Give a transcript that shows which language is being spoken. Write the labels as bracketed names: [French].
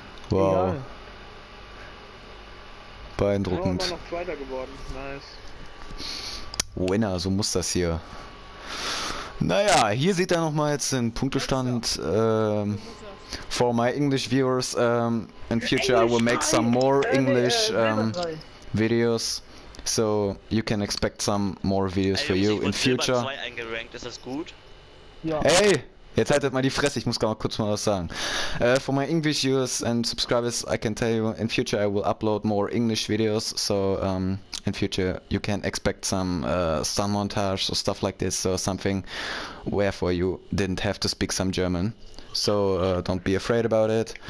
[German] Wow. Egal. Beeindruckend. Ich bin noch Zweiter geworden. Nice. Winner, so muss das hier. Naja, hier seht ihr nochmal jetzt den Punktestand. [English] For my English viewers, in future I will make some more English videos. So, you can expect some more videos for you in future. [German] Ich bin 2 eingerankt, ist das gut? Ja. Ey! Jetzt haltet mal die Fresse, ich muss gerade kurz mal was sagen. [English] For my English viewers and subscribers, I can tell you, in future I will upload more English videos. So, in future you can expect some sound montage or stuff like this or something. Wherefore you didn't have to speak some German. So, don't be afraid about it.